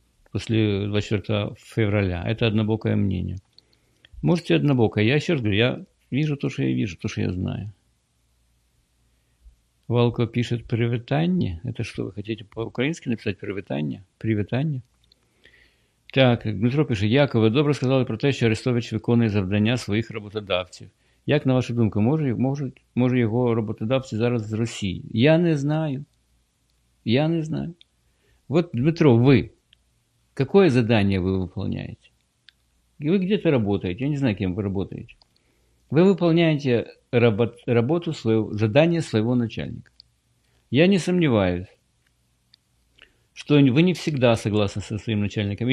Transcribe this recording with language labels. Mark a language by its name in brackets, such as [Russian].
[Russian] После 24 февраля. Это однобокое мнение. Можете однобокое. Я еще раз говорю, я вижу то, что я вижу, то, что я знаю. Валко пишет «Привитанне». Это что, вы хотите по-украински написать «Привитанне»? «Привитанне». [Ukrainian] Так, Дмитро пишет «Якове, добре сказали про те, що Арестович виконує завдання своїх роботодавців. Як, на вашу думку, може його роботодавці зараз з Росії?» [Russian] Я не знаю. Я не знаю. Вот, Дмитро, ви, какое задание вы выполняете? И вы где-то работаете, я не знаю, кем вы работаете. Вы выполняете работу своего, задание своего начальника. Я не сомневаюсь, что вы не всегда согласны со своим начальником.